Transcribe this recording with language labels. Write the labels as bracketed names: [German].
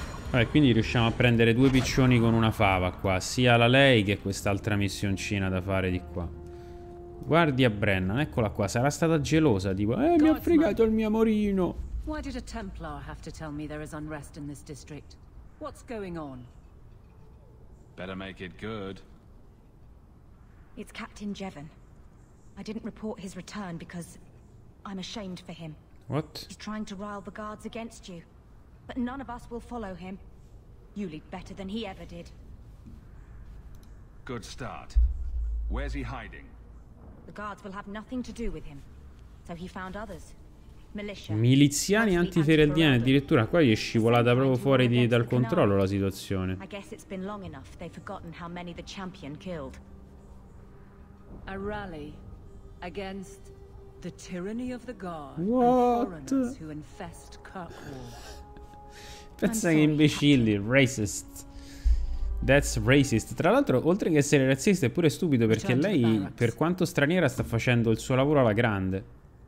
[Italian] Vabbè, quindi riusciamo a prendere due piccioni con una fava qua, sia la lei che quest'altra missioncina da fare di qua. Guardi a Brennan, eccola qua, sarà stata gelosa, tipo, mi ha fregato il mio amorino. [English] Why did a Templar have to tell me there is unrest in this district? What's going on? Better make it good. It's Captain Jevon. I didn't report his return because I'm ashamed for him. What? He's trying to rile the guards against you. But none of us will follow him. You lead better than he ever did. Good start. Where's he hiding? The guards will have nothing to do with him. So he found others. [Italian] Miliziani antifereldiani, addirittura qua gli è scivolata proprio fuori dal controllo la situazione. [English] I guess it's been long enough they've forgotten how many the champion killed. A rally against the tyranny of the guard. What? Who infest Kirkwall. [Italian] Pensa che imbecilli, [English] racist. That's racist. [Italian] Tra l'altro, oltre che essere razzista, è pure stupido, perché lei, per quanto straniera, sta facendo il suo lavoro alla grande.